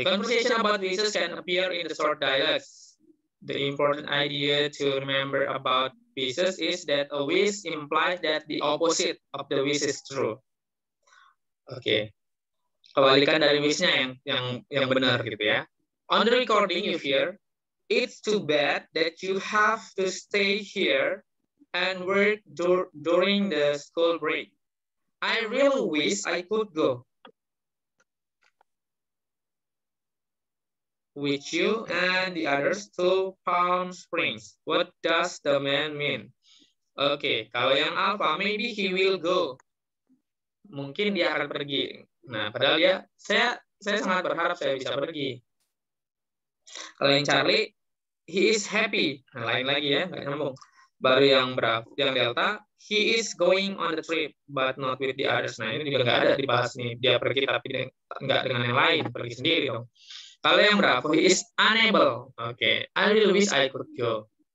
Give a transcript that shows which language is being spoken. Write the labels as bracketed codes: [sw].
[en] Okay, conversation about wishes can appear in the short dialogues. The important idea to remember about wishes is that a wish implies that the opposite of the wish is true. Okay. [id] Kebalikan dari wishnya yang benar gitu ya. [en] On the recording you hear, it's too bad that you have to stay here and work during the school break. I really wish I could go with you and the others to Palm Springs. What does the man mean? [id] Okay, kalau yang [en] Alpha, maybe he will go. [id] Mungkin dia akan pergi. Nah, padahal ya, saya sangat berharap saya bisa pergi. Kalau yang Charlie, [en] he is happy. [id] Nah, lain lagi ya, nggak nyambung. [en] Baru yang Bravo, yang Delta, he is going on the trip, but not with the others. [id] Nah, ini juga nggak ada dibahas nih. Dia pergi tapi nggak dengan yang lain, pergi sendiri dong. Kalau yang [en] Bravo, he is unable. Oke, okay. I really wish I could go.